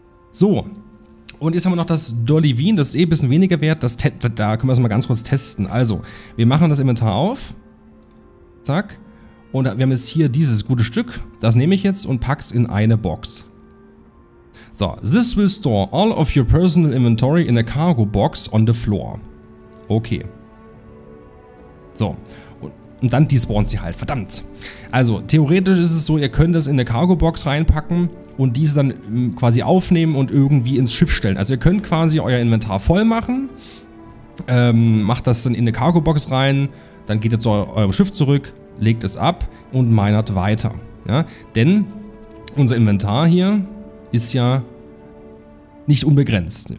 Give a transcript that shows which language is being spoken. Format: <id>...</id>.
<de>So, und jetzt haben wir noch das Dollivin, das ist eh ein bisschen weniger wert. Da können wir es mal ganz kurz testen. Also, wir machen das Inventar auf. Zack. Und wir haben jetzt hier dieses gute Stück. Das nehme ich jetzt und pack's in eine Box.</de> <en>So, this will store all of your personal inventory in a cargo box on the floor. Okay.</en> <de>So, und dann despawnt sie halt, verdammt. Also, theoretisch ist es so, ihr könnt das in eine Cargo Box reinpacken und diese dann quasi aufnehmen und irgendwie ins Schiff stellen. Also ihr könnt quasi euer Inventar voll machen, macht das dann in eine Cargo Box rein, dann geht ihr zu eurem Schiff zurück, legt es ab und minert weiter. Ja? Denn unser Inventar hier ist ja nicht unbegrenzt.</de>